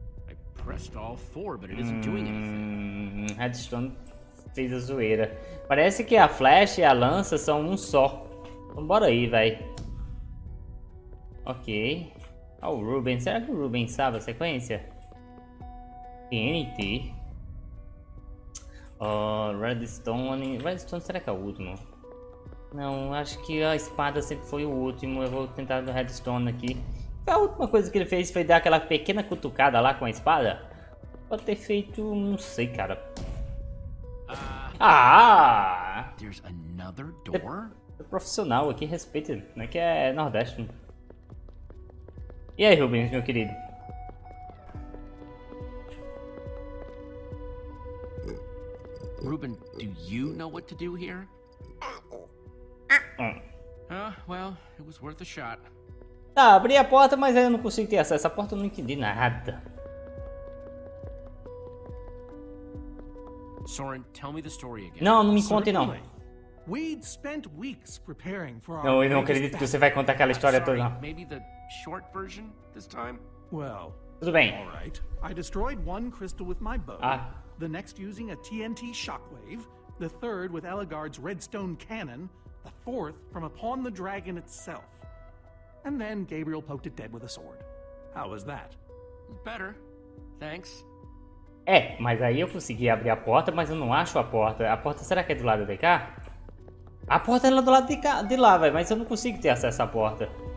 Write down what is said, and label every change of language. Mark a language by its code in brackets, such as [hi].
[en] I pressed all four, but it isn't doing anything. [pt] Redstone fez a zoeira. Parece que a flecha e a lança são um só. Então bora aí, véi. Ok. Ah, o Ruben. Será que o Ruben sabe a sequência? TNT. Redstone. Redstone, será que é o último? Não, acho que a espada sempre foi o último. Eu vou tentar do Redstone aqui. A última coisa que ele fez foi dar aquela pequena cutucada lá com a espada. Pode ter feito, não sei, cara. Ah! [en] There's another door? [pt] É profissional aqui, respeita, né? Que é Nordeste. Né? E aí, Rubens, meu querido? [en] Ruben, do you know what to do here? Well, it was worth a shot. [pt] Tá, abri a porta, mas aí eu não consigo ter acesso. A porta eu não entendi nada. [en] Soren, tell me the story again. [pt] Não, não me conte não. [en] We'd spent weeks preparing for our... [pt] Não, eu não acredito que você vai contar aquela história toda. Não. [en] Maybe the short version this time? Well, [pt] tudo bem. [en] All right. I destroyed one crystal with my bow. Ah. The next using a TNT shockwave, the third with Elagard's redstone cannon, the fourth from upon the dragon itself. And then Gabriel poked it dead with a sword. How was that? Better. Thanks. [pt] É, mas aí eu consegui abrir a porta, mas eu não acho a porta. A porta será que é do lado de cá? A porta é lá do lado de cá, de lá, véio, mas eu não consigo ter acesso à porta.